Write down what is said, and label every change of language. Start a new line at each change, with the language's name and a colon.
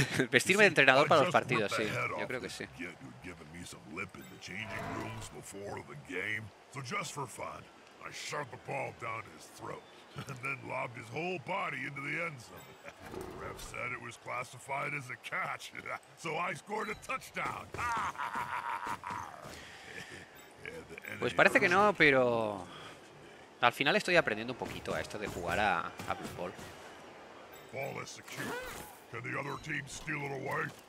Spanish: Vestirme de entrenador para los partidos, sí. Yo creo que sí.
English: Given me some lip in the changing rooms before the game. So just for fun. I shot the ball down his throat, and then lobbed his whole body into the end zone. The ref said it was classified as a catch, so I scored a touchdown.
Spanish: Pues parece que no, pero al final estoy aprendiendo un poquito a esto de jugar a Blood Bowl.
English: Ball is secure. Can the other team steal it away?